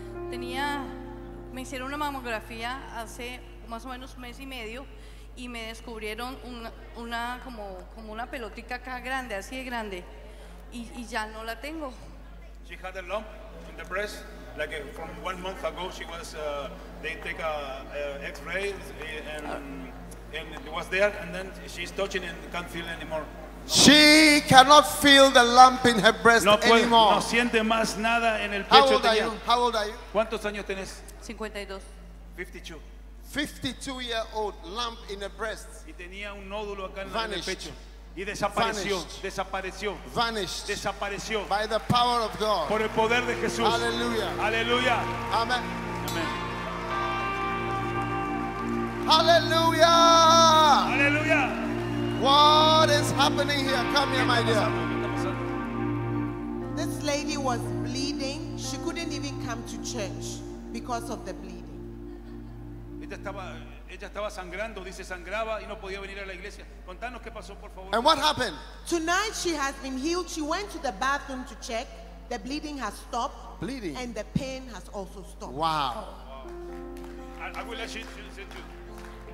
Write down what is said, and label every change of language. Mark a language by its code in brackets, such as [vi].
[es] Tenía, me hicieron una mamografía hace más o menos un mes y medio y me descubrieron una como una pelotica acá grande, así de grande, y ya no la tengo. [en] She had a lump in the breast. Like from 1 month ago, she was. They take a X-ray and it was there, and then she's touching and can't feel anymore. [es] No. [en] She cannot feel the lump in her breast [es] no puede, [en] anymore. [es] No siente más nada en el pecho. [en] How old are you? How old are you? [es] ¿Cuántos años tenés? 52. [en] 52. 52 year old lump in her breast. [es] Y tenía un nódulo acá [en] Vanished. [es] En el pecho. Y desapareció, [en] Vanished. [es] Desapareció, [en] Vanished. [es] Desapareció. [en] By the power of God. [es] Por el poder de Jesús. Aleluya. Aleluya. Amén. Amén. Aleluya. Aleluya. [en] What is happening here? Come here, my dear. This lady was bleeding. She couldn't even come to church because of the bleeding. [es] Ella estaba Ella estaba sangrando, dice, sangraba y no podía venir a la iglesia. Contanos qué pasó, por favor. [en] And what happened? Tonight she has been healed. She went to the bathroom to check. The bleeding has stopped. Bleeding. And the pain has also stopped. Wow. Wow. I will let you say too.